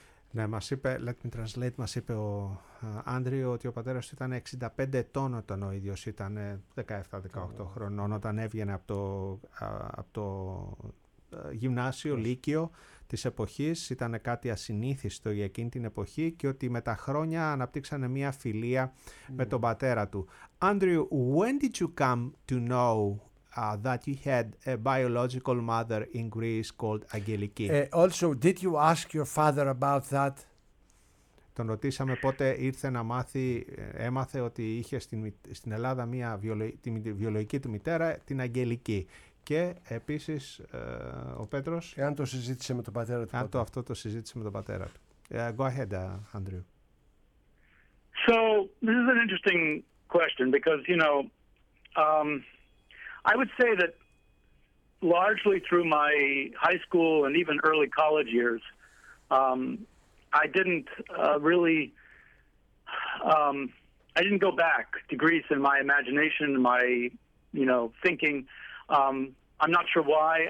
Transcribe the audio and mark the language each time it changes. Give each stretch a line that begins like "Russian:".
Greek: Ναι, μας είπε,
English: let me translate,
Greek: μας είπε ο Άντριο ότι ο πατέρας του ήταν 65 ετών όταν ο ίδιος ήταν 17-18 χρονών, όταν έβγαινε από το γυμνάσιο, λύκειο της εποχής. Ήταν κάτι ασυνήθιστο για εκείνη την εποχή και ότι με τα χρόνια αναπτύξανε μία φιλία με τον πατέρα του.
English: Άντριο, when did you come to know that you had a biological mother in Greece called Angeliki? Also, did you ask your father about that?
Greek: Τον ρωτήσαμε πότε ήρθε να μάθει, έμαθε ότι είχε στην Ελλάδα μία βιολογική του μητέρα, την Αγγελική. Και επίσης ο Πέτρος... Αν το συζήτησε με τον πατέρα του. Αυτό το συζήτησε με τον πατέρα του.
English: Go ahead, Andrew. So, this is an interesting question because, you know... I would say that largely through my high school and even early college years, I didn't go back to Greece in my imagination, thinking. I'm not sure why.